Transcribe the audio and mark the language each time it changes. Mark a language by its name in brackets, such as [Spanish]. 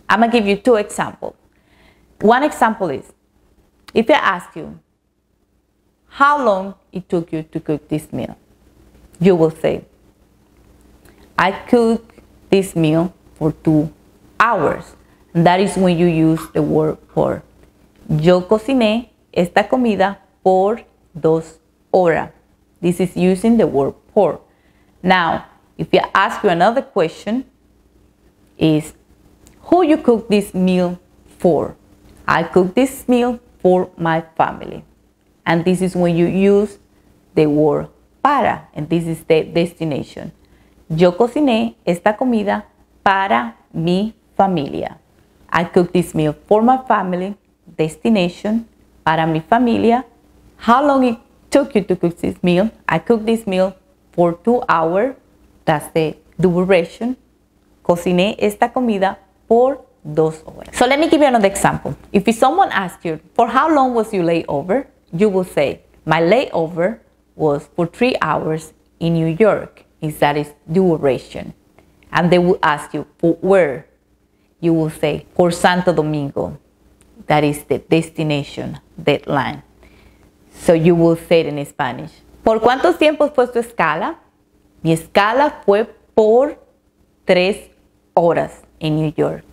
[English] I'm gonna give you two examples. One example is, if I ask you, how long it took you to cook this meal? You will say, I cooked this meal for 2 hours. And that is when you use the word por. [Spanish] Yo cociné esta comida por 2 horas. [English] This is using the word por. Now, if I ask you another question, is who you cook this meal for? I cook this meal for my family. And this is when you use the word para, and this is the destination. [Spanish] Yo cociné esta comida para mi familia. [English] I cook this meal for my family, destination, [Spanish] para mi familia. [English] How long it took you to cook this meal? I cook this meal for 2 hours. That's the duration. [Spanish] Cociné esta comida por 2 horas. [English] So let me give you another example. If someone asks you, for how long was your layover? You will say, my layover was for 3 hours in New York. Is that is duration. And they will ask you, for where? You will say, for Santo Domingo. That is the destination, deadline. So you will say it in Spanish. [Spanish] ¿Por cuánto tiempo fue tu escala? Mi escala fue por 3 horas [English] in New York.